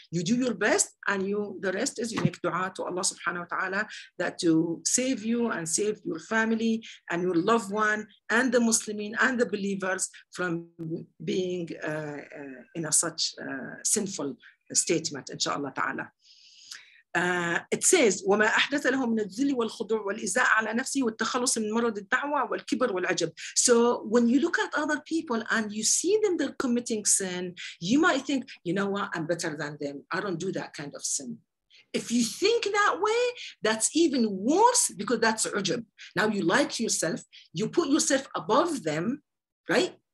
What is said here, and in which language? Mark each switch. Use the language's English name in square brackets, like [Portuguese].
[English] You do your best, and the rest is you make dua to Allah subhanahu wa ta'ala that to save you and save your family and your loved one and the Muslimin and the believers from being in a such sinful statement, inshallah ta'ala. It says, [Arabic] وما أحدث لهم من الذل والخضوع والإزاء على نفسي والتخلص من مرض الدعوة والكبر والعجب. [English] So when you look at other people and you see them, they're committing sin, you might think, you know what, I'm better than them. I don't do that kind of sin. If you think that way, that's even worse, because that's عجب. Now you like yourself, you put yourself above them, right?